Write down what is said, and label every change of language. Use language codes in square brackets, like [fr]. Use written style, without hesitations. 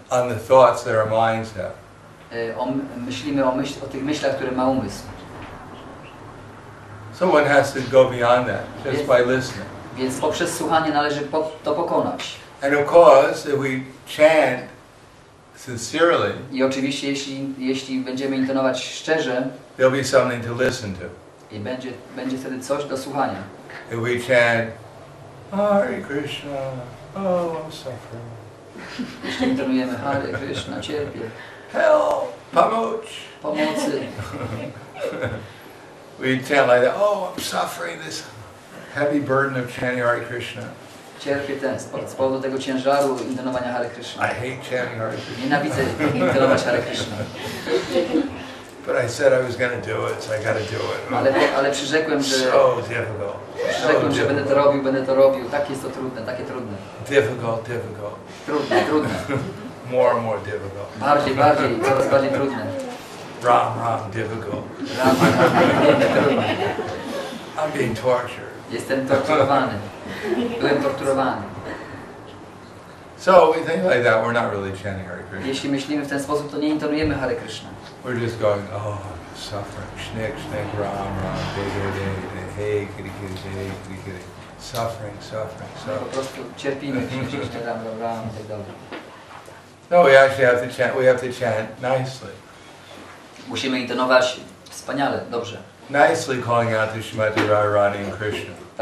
[en] On the thoughts that our minds have. [pl] Myślimy o tych myślach, które ma umysł. [en] So one has to go beyond that just by listening. [pl] Więc poprzez słuchanie należy to pokonać. [en] And of course, if we chant sincerely, [pl] i oczywiście jeśli będziemy intonować szczerze, [en] there'll be something to listen to. [pl] I będzie wtedy coś do słuchania. [en] If we chant Hare Krishna, oh I'm suffering. [pl] Jeśli intonujemy Hare Krishna, cierpię. [en] Help, [pl] pomoc. Pomocy. [en] We chant like that. Oh, I'm suffering this heavy burden of chanting Hare Krishna. [pl] Cierpię ten z powodu tego ciężaru intonowania Hare Krishna. [en] I hate chanting Hare Krishna. [pl] Nienawidzę intonować Hare Krishna. [en] But I said I was going to do it, so I got to do it. [pl] Ale przyrzekłem, że [en] difficult. [pl] Że będę to robił. Tak jest to trudne. [en] Difficult. [pl] Trudne. [en] More and more difficult. [pl] Bardziej, coraz bardziej trudne. [en] Ram, difficult. Ram, I'm being tortured. [pl] Jestem torturowany. Byłem torturowany. [en] So we think like that, we're not really chanting Hare Krishna. [pl] Jeśli myślimy w ten sposób, to nie intonujemy Hare Krishna. [en] We're just going, oh, I'm suffering. Schnick, ram, day, hey, kitty. Suffering. [pl] No, po prostu cierpimy, ram, [en] no, we actually have to chant, nicely. [pl] Musimy intonować wspaniale, dobrze. [en] Nicely calling out to Srimati Radharani and Krishna.